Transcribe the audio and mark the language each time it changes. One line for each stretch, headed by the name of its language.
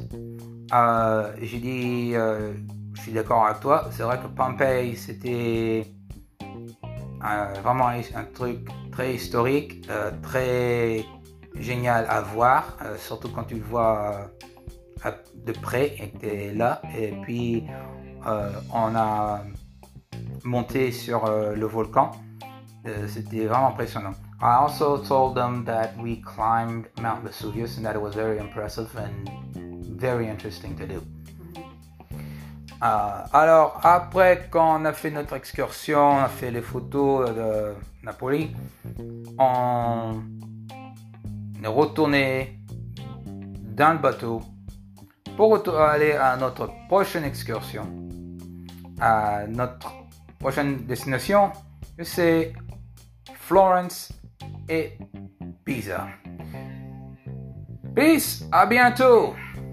French: J'ai dit, je suis d'accord avec toi, c'est vrai que Pompeii, c'était vraiment un truc très historique, très génial à voir, surtout quand tu le vois de près, et que t'es là. Et puis, on a monté sur le volcan, c'était vraiment impressionnant.
English: I also told them that we climbed Mount Vesuvius and that it was very impressive and very interesting to do.
French: Alors, après quand on a fait notre excursion, on a fait les photos de Napoli, on est retourné dans le bateau pour aller à notre prochaine excursion, à notre prochaine destination, c'est Florence et Pisa. Peace, à bientôt.